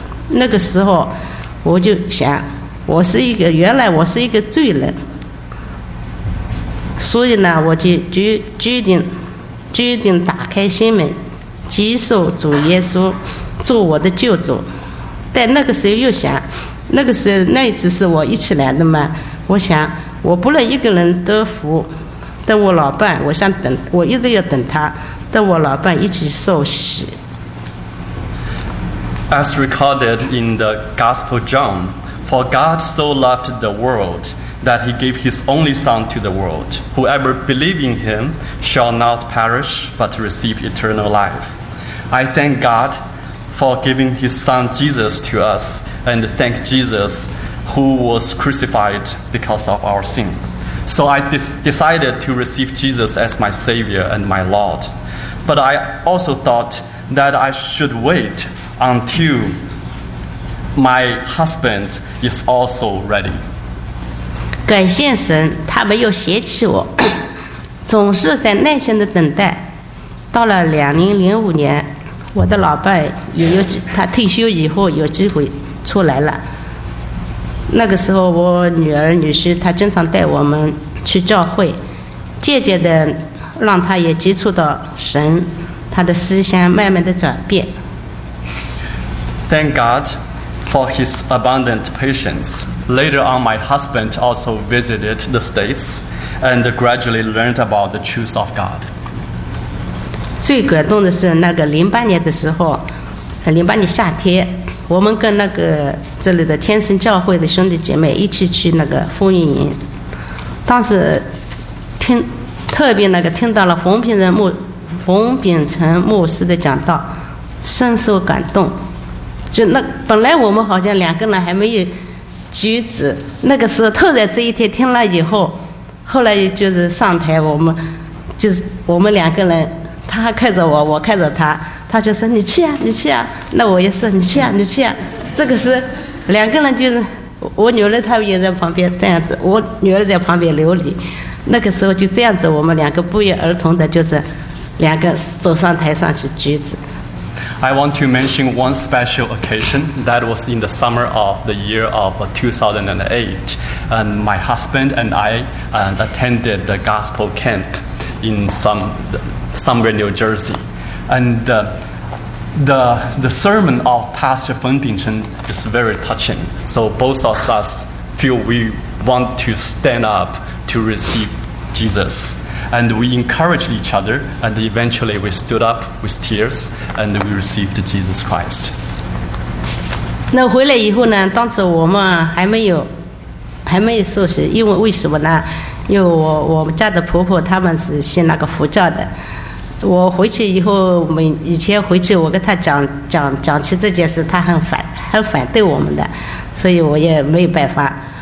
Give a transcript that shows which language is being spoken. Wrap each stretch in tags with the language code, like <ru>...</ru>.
<zh>那个时候我就想，我是一个罪人，所以呢，我就决定打开心门，接受主耶稣做我的救主。但那个时候又想，那一次是我一起来的嘛，我想我不能一个人得福，等我老伴，我想等，我一直要等他，等我老伴一起受洗。</zh> <en>As recorded in the Gospel John, for God so loved the world that he gave his only Son to the world. Whoever believes in him shall not perish but receive eternal life. I thank God. For giving his son Jesus to us, and thank Jesus who was crucified because of our sin. So I decided to receive Jesus as my Savior and my Lord. But I also thought that I should wait until my husband is also ready.</en> <zh>感谢神，他没有嫌弃我，总是在耐心地等待。到了2005年。我的老伴也有，他退休以后有机会出来了。那个时候我女儿女婿他经常带我们去教会，渐渐的让他也接触到神，他的思想慢慢的转变。</zh> <en>Thank God, for his abundant patience. Later on, my husband also visited the States and gradually learned about the truth of God.</en> <zh>最感动的是那个零八年的时候，零八年夏天，我们跟那个这里的天神教会的兄弟姐妹一起去那个风云营，当时听特别那个听到了冯秉成牧师的讲道，深受感动。就那本来我们好像两个人还没有举止，那个时候突然这一天听了以后，后来就是上台，我们两个人，他看着我，我看着他，他就说你去啊，那我也说你去啊。这个是两个人，就是我女儿她也在旁边这样子，我女儿在旁边流泪。那个时候就这样子，我们两个不约而同的，就是两个走上台上去举止。</zh> <en>I want to mention one special occasion that was in the summer of the year of 2008, and my husband and I attended the gospel camp in somewhere New Jersey, and the sermon of Pastor Feng Bingchen is very touching. So both of us feel we want to stand up to receive Jesus. And we encouraged each other, and eventually we stood up with tears, and we received Jesus Christ.</en> <zh>那回来以后呢？当时我们还没有受洗，因为什么呢？因为我们家的婆婆他们是信那个佛教的。我回去以后，以前回去我跟他讲起这件事，他很反对我们的，所以我也没有办法。</zh>